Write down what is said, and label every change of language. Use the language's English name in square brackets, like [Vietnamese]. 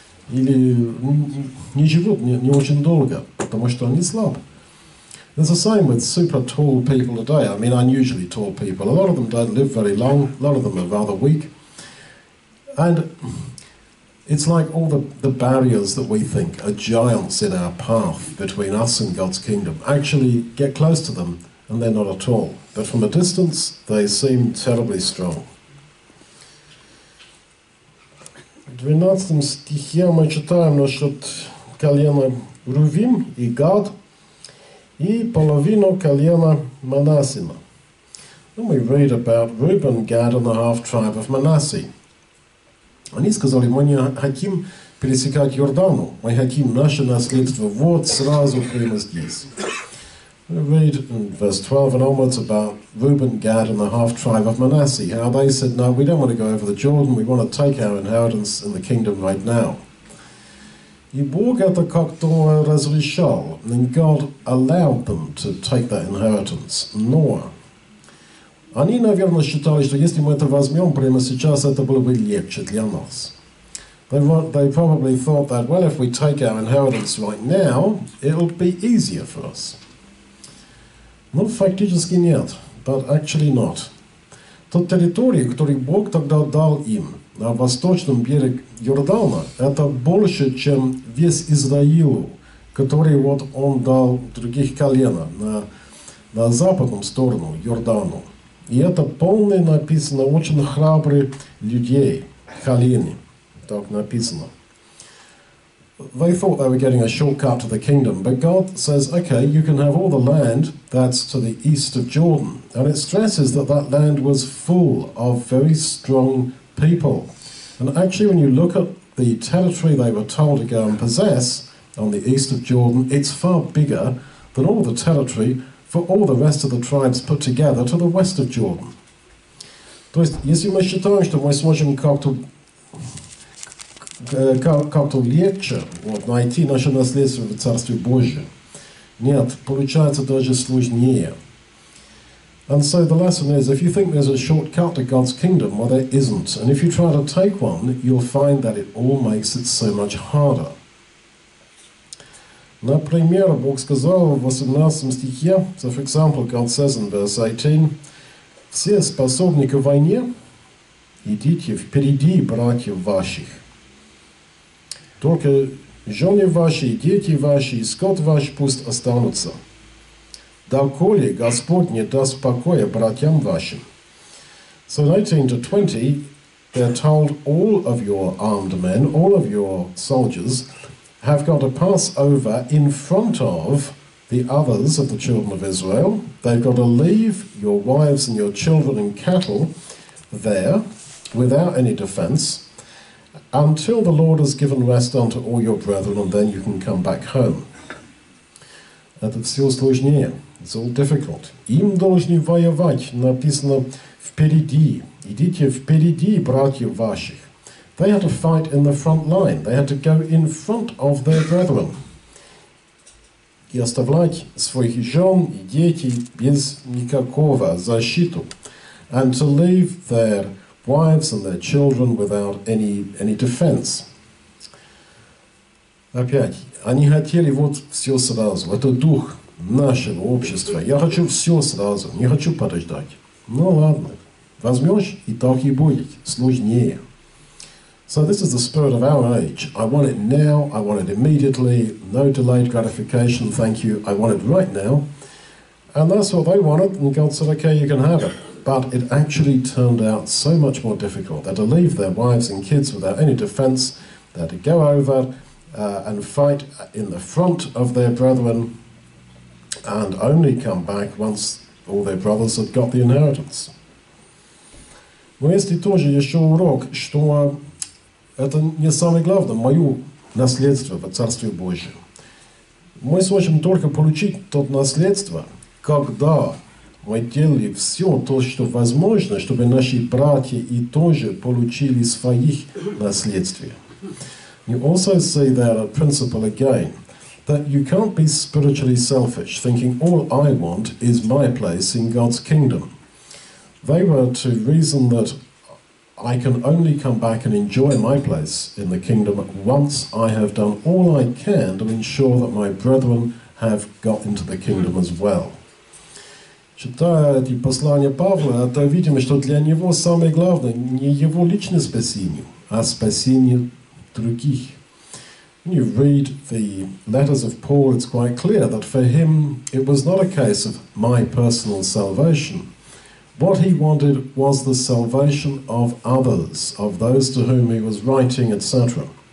[Russian] Или не живут не очень долго, потому что они слабы. [English] It's the same with super tall people today. I mean, unusually tall people. A lot of them don't live very long. A lot of them are rather weak. And it's like all the barriers that we think are giants in our path between us and God's kingdom. Actually, get close to them, and they're not at all. But from a distance, they seem terribly strong. [Russian] В 12 стихе мы читаем насчет колена Рувим и Гад и половину колена Манасима. [English] Then we read about Reuben, Gad and the half tribe of Manasseh. [Russian] Они сказали, мы не хотим пересекать Йордану, мы хотим наше наследство вот сразу прямо здесь. [English] We read in verse 12 and onwards about Reuben, Gad, and the half-tribe of Manasseh, how they said, no, we don't want to go over the Jordan, we want to take our inheritance in the kingdom right now. [Russian] И Бог это как-то разрешал, [English] and God allowed them to take that inheritance. [Russian] Но они, наверное, считали, что если мы это возьмем прямо сейчас, это было бы легче для нас. [English] They probably thought that, well, if we take our inheritance right now, it'll be easier for us. [Russian] Ну, фактически нет, [English] but actually not. [Russian] Тот территорий, который Бог тогда дал им на восточном берег Йордана, это больше, чем весь Израил, который вот он дал других колена на западном сторону Йордану. И это полное написано, очень храбрые людей, колени, так написано. [English] They thought they were getting a shortcut to the kingdom, but God says, okay, you can have all the land that's to the east of Jordan. And it stresses that that land was full of very strong people. And actually, when you look at the territory they were told to go and possess on the east of Jordan, it's far bigger than all the territory for all the rest of the tribes put together to the west of Jordan. [Russian] То есть, если мы считаем, что мы сможем как-то как-то легче вот, найти наше наследство в Царстве Божьем. Нет, получается даже сложнее. [English] And so the lesson is, if you think there's a shortcut to God's kingdom, well, there isn't. And if you try to take one, you'll find that it all makes it so much harder. [Russian] Например, Бог сказал в 18 стихе, [English] so for example, God says in verse 18, [Russian] «Все способны к войне, идите впереди братьев ваших». Только жены ваши, дети ваши и скот ваш пусть останутся. Доколе Господь не даст покоя братьям вашим. [English] So 18 to 20, they're told all of your armed men, all of your soldiers, have got to pass over in front of the others of the children of Israel. They've got to leave your wives and your children and cattle there without any defense. Until the Lord has given rest unto all your brethren, and then you can come back home. [Russian] Это все сложнее. [English] It's all difficult. [Russian] Им должны воевать, написано, впереди. Идите впереди, братьев ваших. [English] They had to fight in the front line. They had to go in front of their brethren. [Russian] И оставлять своих жен и детей без никакого защиты. [English] And to leave their wives and their children without any defense. [Russian] Опять, они хотели вот все сразу. Это дух нашего общества. Я хочу все сразу, не хочу подождать. Ну ладно, Возьмешь, и так и будет, сложнее. [English] So this is the spirit of our age. I want it now, I want it immediately, no delayed gratification, thank you, I want it right now. And that's what they wanted, and God said, okay, you can have it. But it actually turned out so much more difficult. They had to leave their wives and kids without any defense. They had to go over and fight in the front of their brethren and only come back once all their brothers had got the inheritance. [Russian] Но есть и тоже еще урок, что это не самое главное, мое наследство в Царстве Божьем. Мы сможем только получить то наследство, когда мы делали все то, что возможно, чтобы наши братья и тоже получили своих наследствия. [English] You also say that a principle again, that you can't be spiritually selfish, thinking all I want is my place in God's kingdom. They were to reason that I can only come back and enjoy my place in the kingdom once I have done all I can to ensure that my brethren have got into the kingdom as well. [Russian] Читая эти послания Павла, то видим, что для него самое главное не его личное спасение, а спасение других. [English] When you read the letters of Paul, it's quite clear that for him it was not a case of my personal salvation. What he wanted was the salvation of others, of those to whom he was writing, etc.